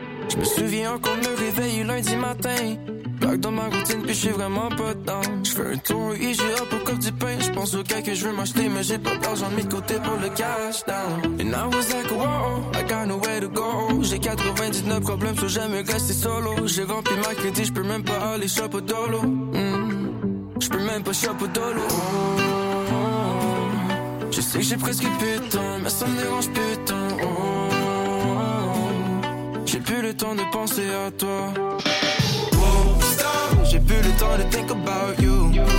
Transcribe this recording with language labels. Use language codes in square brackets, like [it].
[fr] Je me souviens qu'on me réveille lundi matin. Bloc dans ma routine, puis j'ai vraiment pas de temps. Je fais un tour au IGA pour coffre du pain. Je pense au cas que je veux m'acheter, mais j'ai pas d'argent mis de côté pour le cash down. [en] And I was like, wow, I got nowhere to go. [fr] J'ai 99 problèmes, so j'aime rester solo. J'ai rempli ma crédit, je peux même pas aller shop au dolo. Je peux même pas shop au dolo. Je sais que j'ai presque plus de temps, mais ça me dérange plus de temps. Oh. J'ai plus le temps de penser à toi. J'ai plus le temps de [en] think about you.